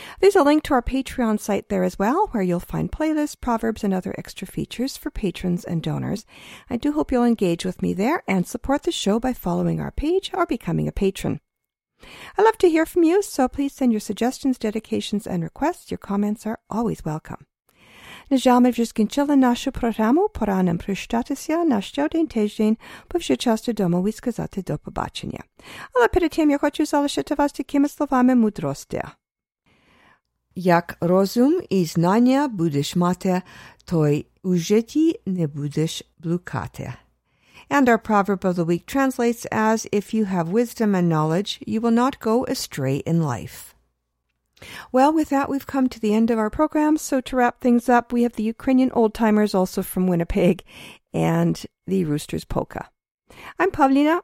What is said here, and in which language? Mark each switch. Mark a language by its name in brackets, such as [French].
[English] There's a link to our Patreon site there as well, where you'll find playlists, proverbs, and other extra features for patrons and donors. I do hope you'll engage with me there and support the show by following our page or becoming a patron. I'd love to hear from you, so please send your suggestions, dedications, and requests. Your comments are always welcome. [Ukrainian] Нажами вже скінчили нашу програму. Пора нам прощатися на щодень тиждень, бо вже час додому і сказати до побачення. Але перед тим я хочу залишити вас такими словами мудрості. Як розум і знання будеш мати, той у житті не будеш блукати. [English] And our proverb of the week translates as, if you have wisdom and knowledge, you will not go astray in life. Well, with that, we've come to the end of our program. So to wrap things up, we have the Ukrainian Old Timers, also from Winnipeg, and the Rooster's Polka. I'm Pavlina.